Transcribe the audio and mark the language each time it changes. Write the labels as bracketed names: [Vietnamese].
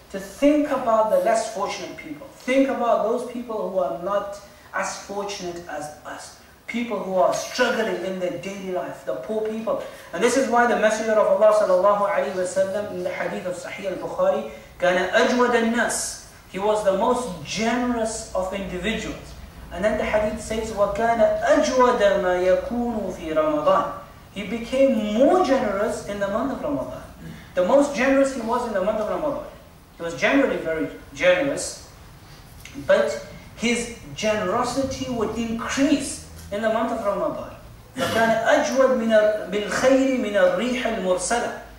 [English] To think about the less fortunate people. Think about those people who are not as fortunate as us. People who are struggling in their daily life. The poor people. And this is why the Messenger of Allah sallallahu alayhi wa sallam in the hadith of Sahih al-Bukhari, [Arabic] كَانَ أَجْوَدَ النَّاسِ. [English] He was the most generous of individuals. And then the hadith says, [Arabic] وَكَانَ أَجْوَدَ مَا يَكُونُ فِي رَمَضَانِ. [English] He became more generous in the month of Ramadan. The most generous he was in the month of Ramadan. He was generally very generous, but his generosity would increase in the month of Ramadan. [Arabic] فَكَانَ أَجْوَدْ بِالْخَيْرِ مِنَ الْرِيحَ الْمُرْسَلَةِ.